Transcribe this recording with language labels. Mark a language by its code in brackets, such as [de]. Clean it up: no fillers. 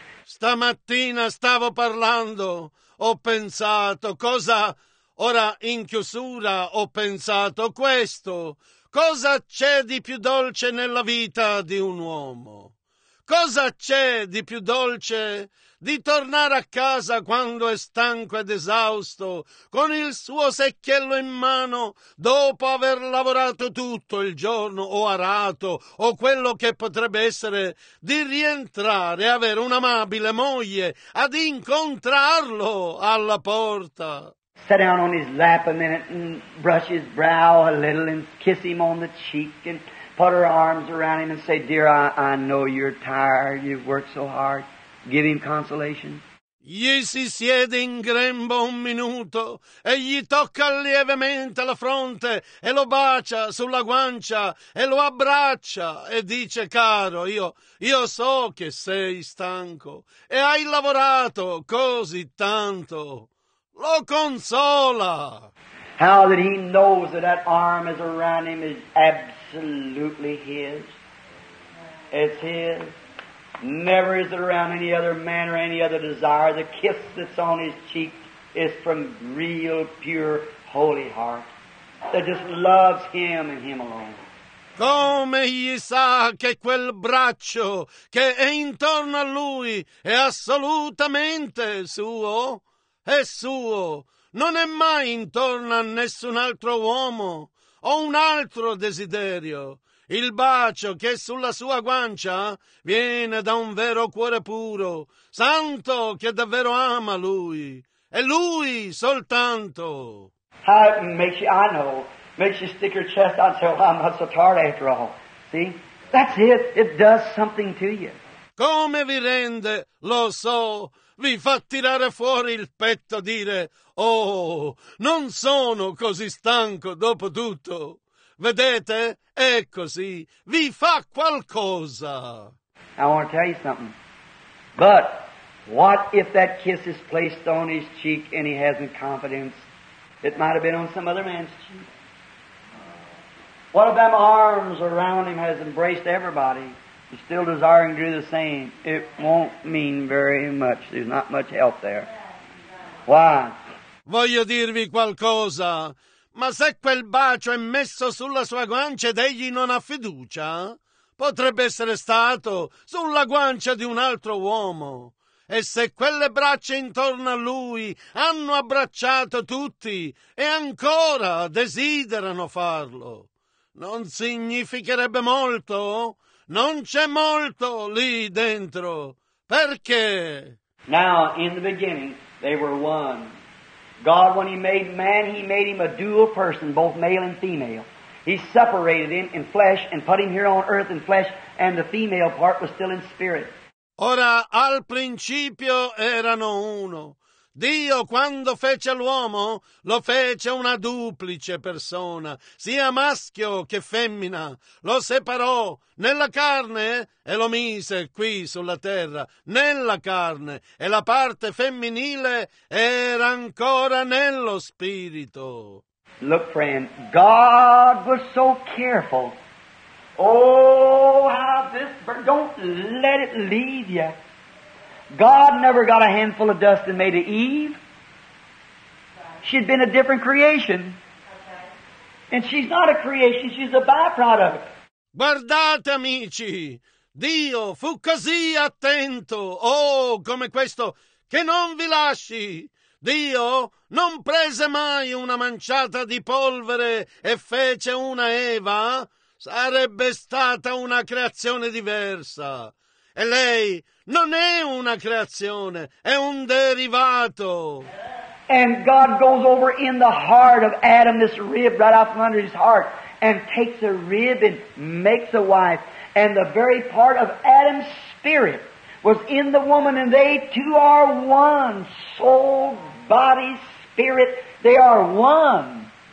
[it] Stamattina stavo parlando, ho pensato, cosa, ora in chiusura ho pensato questo, cosa c'è di più dolce nella vita di un uomo? Cosa c'è di più dolce di tornare a casa quando è stanco ed esausto, con il suo secchiello in mano, dopo aver lavorato tutto il giorno, o arato, o quello che potrebbe essere, di rientrare e avere un'amabile moglie, ad incontrarlo alla porta? [en] Sit down on his lap a minute and brush his brow a little and kiss him on the cheek and put her arms around him and say, "Dear, I know you're tired. You've worked so hard." Give him consolation. [it] Gli si siede in grembo un minuto e gli tocca lievemente la fronte e lo bacia sulla guancia e lo abbraccia e dice: "Caro, io so che sei stanco e hai lavorato così tanto." Lo consola. [en] How that he knows that that arm is around him is absolutely his. It's his. Never is it around any other man or any other desire. The kiss that's on his cheek is from real, pure, holy heart that just loves him and him alone. [it] Come egli sa che quel braccio che è intorno a lui è assolutamente suo? È suo. Non è mai intorno a nessun altro uomo o un altro desiderio. Il bacio che è sulla sua guancia viene da un vero cuore puro, santo, che davvero ama lui, e lui soltanto. [en] How it makes you, I know, makes you stick your chest out and say, "Well, I'm not so tired after all." See? That's it. It does something to you. [it] Come vi rende, lo so, vi fa tirare fuori il petto a dire, "Oh, non sono così stanco dopo tutto." Vedete? È così. Vi fa qualcosa. [en] I want to tell you something. But what if that kiss is placed on his cheek and he hasn't confidence? It might have been on some other man's cheek. What if them arms around him has embraced everybody? He's still desiring to do the same. It won't mean very much. There's not much help there. Why? [it] Voglio dirvi qualcosa. Ma se quel bacio è messo sulla sua guancia ed egli non ha fiducia, potrebbe essere stato sulla guancia di un altro uomo. E se quelle braccia intorno a lui hanno abbracciato tutti e ancora desiderano farlo, non significherebbe molto? Non c'è molto lì dentro. Perché? [en] Now, in the beginning, they were one. God, when he made man, he made him a dual person, both male and female. He separated him in flesh and put him here on earth in flesh, and the female part was still in spirit. [it] Ora, al principio erano uno. Dio, quando fece l'uomo, lo fece una duplice persona, sia maschio che femmina. Lo separò nella carne e lo mise qui sulla terra, nella carne, e la parte femminile era ancora nello spirito. [en] Look, friend, God was so careful. Oh, how this bird, don't let it leave you. God never got a handful of dust and made an Eve. She'd been a different creation. And she's not a creation, she's a byproduct. [it] Guardate, amici, Dio fu così attento, oh, come questo, che non vi lasci. Dio non prese mai una manciata di polvere e fece una Eva. Sarebbe stata una creazione diversa. E lei non è una creazione, è un derivato. [en] And God goes over in the heart of Adam, this rib right out from under his heart, and takes a rib and makes a wife. And the very part of Adam's spirit was in the woman, and they two are one. Soul, body, spirit, they are one.